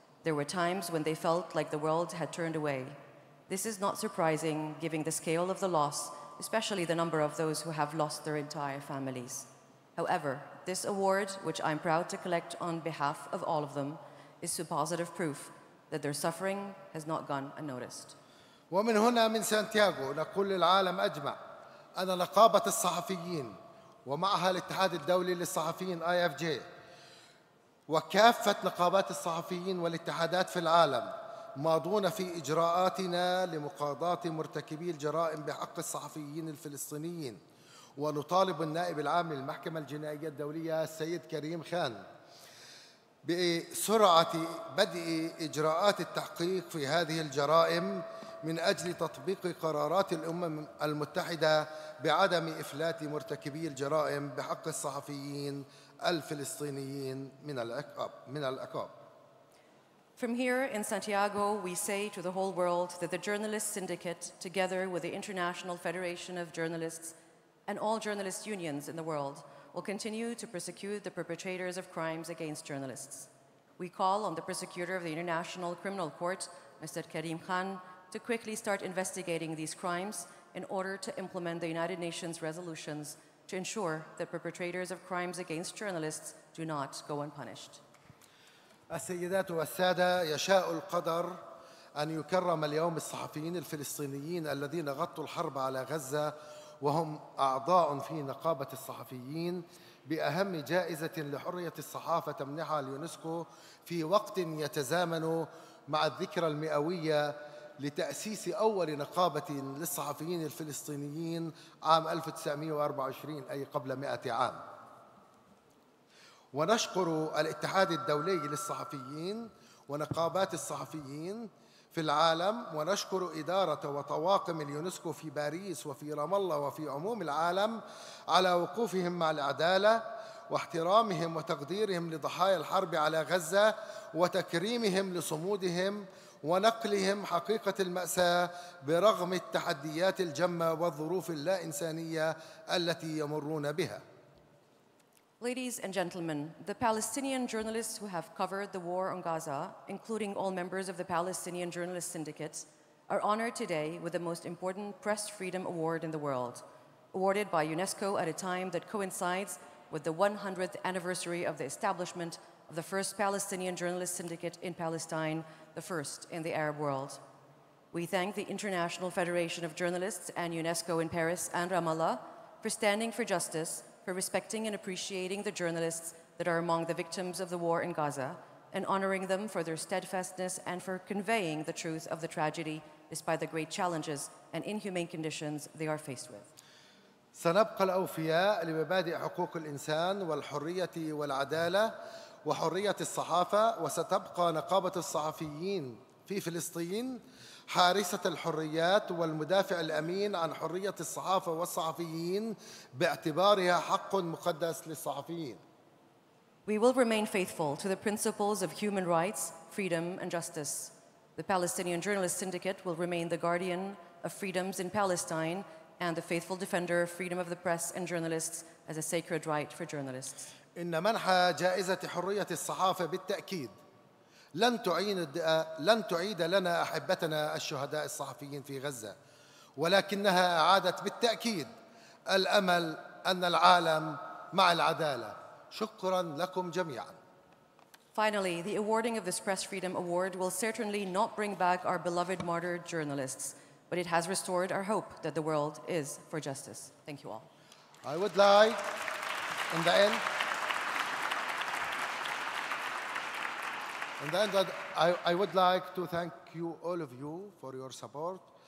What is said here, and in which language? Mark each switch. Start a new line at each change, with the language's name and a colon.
English: There were times when they felt like the world had turned away. This is not surprising, given the scale of the loss, especially the number of those who have lost their entire families. However, this award, which I'm proud to collect on behalf of all of them, is a positive proof that their suffering has not gone unnoticed.
Arabic: ومن هنا من سانتياغو نقول للعالم أجمع أن نقابة الصحفيين ومعها الاتحاد الدولي للصحفيين IFJ وكافة نقابات الصحفيين والاتحادات في العالم ماضون في إجراءاتنا لمقاضاة مرتكبي الجرائم بحق الصحفيين الفلسطينيين. ونطالب النائب العام للمحكمة الجنائية الدولية السيد كريم خان بسرعة بدء إجراءات التحقيق في هذه الجرائم من أجل تطبيق قرارات الأمم المتحدة بعدم إفلات مرتكبي الجرائم بحق الصحفيين الفلسطينيين من العقاب.
English: From here in Santiago, we say to the whole world that the Journalist Syndicate, together with the International Federation of Journalists and all journalist unions in the world, will continue to persecute the perpetrators of crimes against journalists. We call on the prosecutor of the International Criminal Court, Mr. Karim Khan, to quickly start investigating these crimes in order to implement the United Nations resolutions to ensure that perpetrators of crimes against journalists do not go unpunished.
Arabic: السيدات والسادة، يشاء القدر أن يكرم اليوم الصحفيين الفلسطينيين الذين غطوا الحرب على غزة وهم أعضاء في نقابة الصحفيين بأهم جائزة لحرية الصحافة تمنحها اليونسكو في وقت يتزامن مع الذكرى المئوية لتأسيس أول نقابة للصحفيين الفلسطينيين عام 1924، أي قبل 100 عام. ونشكر الاتحاد الدولي للصحفيين ونقابات الصحفيين في العالم، ونشكر إدارة وطواقم اليونسكو في باريس وفي رام الله وفي عموم العالم على وقوفهم مع العدالة واحترامهم وتقديرهم لضحايا الحرب على غزة وتكريمهم لصمودهم ونقلهم حقيقة المأساة برغم التحديات الجمة والظروف اللا إنسانية التي يمرون بها.
English: Ladies and gentlemen, the Palestinian journalists who have covered the war on Gaza, including all members of the Palestinian Journalist Syndicate, are honored today with the most important Press Freedom Award in the world, awarded by UNESCO at a time that coincides with the 100th anniversary of the establishment of the first Palestinian Journalist Syndicate in Palestine, the first in the Arab world. We thank the International Federation of Journalists and UNESCO in Paris and Ramallah for standing for justice, for respecting and appreciating the journalists that are among the victims of the war in Gaza, and honoring them for their steadfastness and for conveying the truth of the tragedy despite the great challenges and inhumane conditions they are faced with.
Arabic: سنبقى الأوفياء لمبادئ حقوق الإنسان والحرية والعدالة وحرية الصحافة، وستبقى نقابة الصحفيين في فلسطين حارسة الحريات والمدافع الأمين عن حرية الصحافة والصحفيين باعتبارها حق مقدس للصحفيين.
English: We will remain faithful to the principles of human rights, freedom and justice. The Palestinian Journalist Syndicate will remain the guardian of freedoms in Palestine and the faithful defender of freedom of the press and journalists as a sacred right for journalists.
Arabic: إن منح جائزة حرية الصحافة بالتأكيد لن تعيد لنا أحبتنا الشهداء الصحفيين في غزة، ولكنها أعادت بالتأكيد الأمل أن العالم مع العدالة. شكرا لكم جميعا.
English: Finally, the awarding of this Press Freedom Award will certainly not bring back our beloved martyred journalists, but it has restored our hope that the world is for justice. Thank you all. I would like, in the end, and then that I would like to thank you, all of you, for your support.